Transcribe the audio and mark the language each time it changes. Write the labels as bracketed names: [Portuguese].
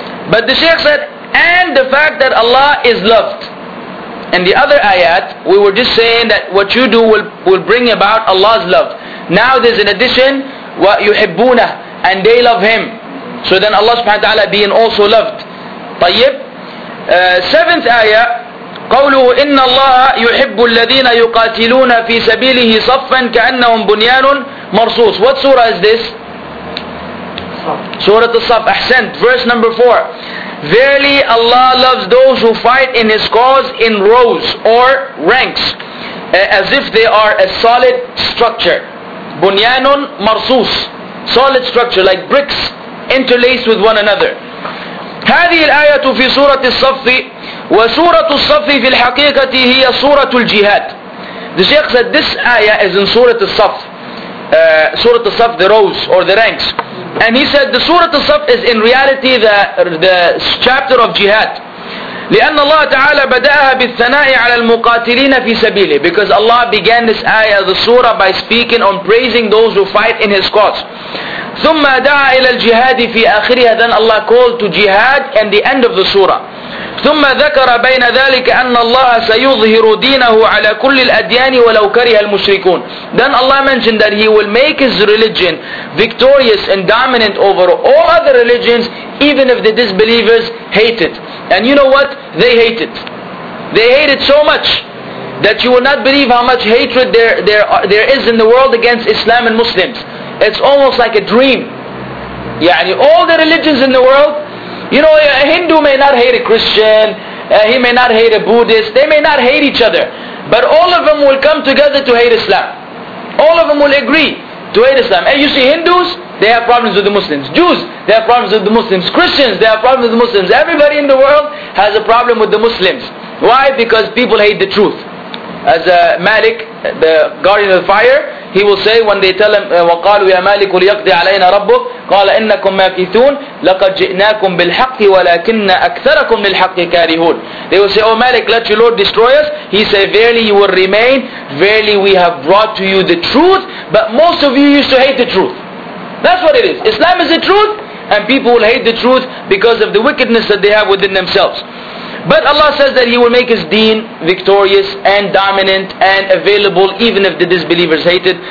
[English] But the Shaykh said, and the fact that Allah is loved. In the other ayat, we were just saying that what you do will bring about Allah's love. Now there's an addition, وَيُحِبُّونَ, and they love Him. So then Allah subhanahu wa ta'ala being also loved. [Arabic] طيب. [English] Seventh ayah, [Arabic] قَوْلُهُ إِنَّ اللَّهَ يُحِبُّ الَّذِينَ يُقَاتِلُونَ فِي سَبِيلِهِ صَفًّا كَأَنَّهُمْ بُنْيَانٌ مَرْصُوصٌ. [English] What surah is this? Surah As-Saff, Ahsant, verse number 4. Verily Allah loves those who fight in His cause in rows or ranks, as if they are a solid structure. [Arabic] بُنْيَانٌ مَرْصُوصٌ. [English] Solid structure, like bricks interlaced with one another. [Arabic] هذه الآية في سورة الصف وسورة الصف في الحقيقة هي سورة الجهاد. [English] The Shaykh said this ayah is in سورة الصف. سورة الصف, the rows or the ranks. And he said the سورة الصف is in reality the chapter of jihad. [Arabic] لأن الله تعالى بدأها بالثناء على المقاتلين في سبيله. [English] Because Allah began this ayah, the surah, by speaking on praising those who fight in His cause. [Arabic] ثم دعا إلى الجهاد في آخرها. [English] Then Allah called to jihad and the end of the surah. [Arabic] ثم ذكر بين ذلك أن الله سيظهر دينه على كل الأديان ولو كره المشركون. [English] Then Allah mentioned that He will make His religion victorious and dominant over all other religions, even if the disbelievers hate it. And you know what? They hate it. They hate it so much that you will not believe how much hatred there is in the world against Islam and Muslims. It's almost like a dream. يعني all the religions in the world, you know, a Hindu may not hate a Christian, he may not hate a Buddhist, they may not hate each other, but all of them will come together to hate Islam. All of them will agree to hate Islam. And you see Hindus, they have problems with the Muslims. Jews, they have problems with the Muslims. Christians, they have problems with the Muslims. Everybody in the world has a problem with the Muslims. Why? Because people hate the truth. As Malik, the guardian of the fire, he will say when they tell him, [Arabic] وَقَالُوا يَا مَالِكُ لِيَقْضِ عَلَيْنَا رَبُّكُ قَالَ إِنَّكُمْ مَاكِثُونَ لَقَدْ جِئْنَاكُمْ بِالْحَقِّ وَلَكِنَّ أَكْثَرَكُمْ لِلْحَقِّ كَارِهُونَ. [English] They will say, oh Malik, let your Lord destroy us. He say, verily you will remain. Verily we have brought to you the truth. But most of you used to hate the truth. That's what it is. Islam is the truth. And people will hate the truth because of the wickedness that they have within themselves. But Allah says that He will make His deen victorious and dominant and available even if the disbelievers hate it.